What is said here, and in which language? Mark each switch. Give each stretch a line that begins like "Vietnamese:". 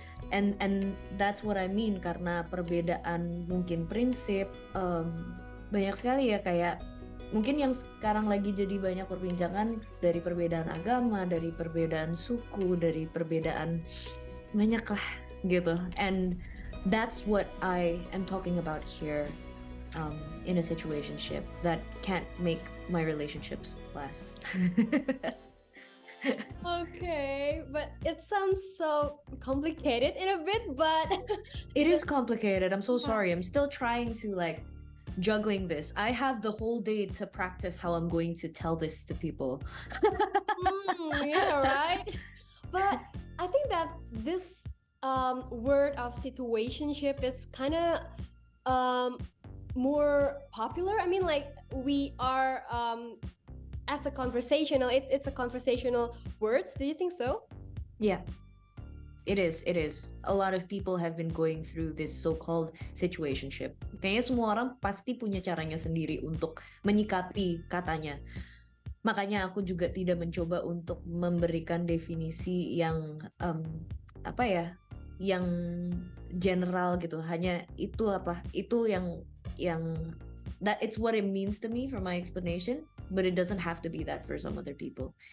English: And that's what I mean,
Indonesian: karena perbedaan mungkin prinsip, banyak sekali ya, kayak mungkin yang sekarang lagi jadi banyak perbincangan, dari perbedaan agama, dari perbedaan suku, dari perbedaan banyak lah gitu.
English: And that's what I am talking about here, in a situationship that can't make my relationships last. Okay, but it sounds so complicated in a bit, but it is complicated. I'm so sorry. I'm still trying to like juggling this. I have the whole day to practice how I'm going to tell this to people. Yeah, right? But I think that this word of situationship is kind of more popular. I mean, like, we are as a conversational, it's a conversational word. Do you think so? Yeah, it is. A lot of people have been going through this so-called situationship.
Indonesian: Kayaknya semua orang pasti punya caranya sendiri untuk menyikapi katanya. Makanya aku juga tidak mencoba untuk memberikan definisi yang apa ya, yang general gitu. Hanya itu apa, itu yang
English: that it's what it means to me from my explanation, but it doesn't have to be that for some other people.